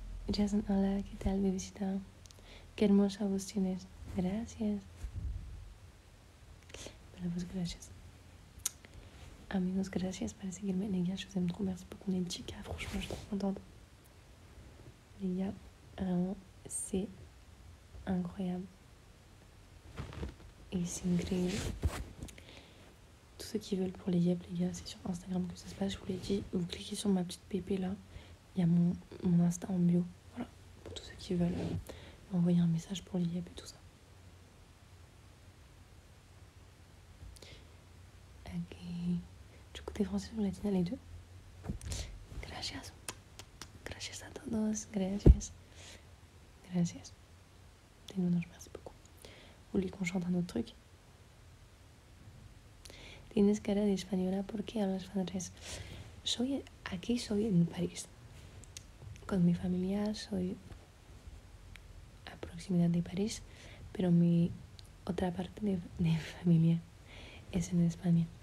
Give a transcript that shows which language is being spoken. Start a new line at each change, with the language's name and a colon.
Spanish: Jason, hola, ¿qué tal, bebisita? Qué hermosa voz tienes. Gracias. Bella voz, gracias. Amigos, gracias por seguirme.
French: Les gars, je vous aime trop. Merci beaucoup, les 10K. Franchement, je suis trop contente. Les gars, vraiment, c'est incroyable. Et c'est incroyable. Tous ceux qui veulent pour les YEP, les gars, c'est sur Instagram que ça se passe. Je vous l'ai dit, vous cliquez sur ma petite pépé là. Il y a mon Insta en bio. Voilà, pour tous ceux qui veulent m'envoyer un message pour les YEP et tout ça. Ok. Français ou latina, les deux.
Spanish: Gracias. Gracias a todos. Gracias. Gracias.
French: De nous, non, je merci beaucoup. Vous voulez qu'on chante un autre truc?
Spanish: Tienes cara de española, ¿por qué hablas francés? Soy aquí, soy en París. Con mi familia, soy a proximidad de París, pero mi otra parte de familia es en España.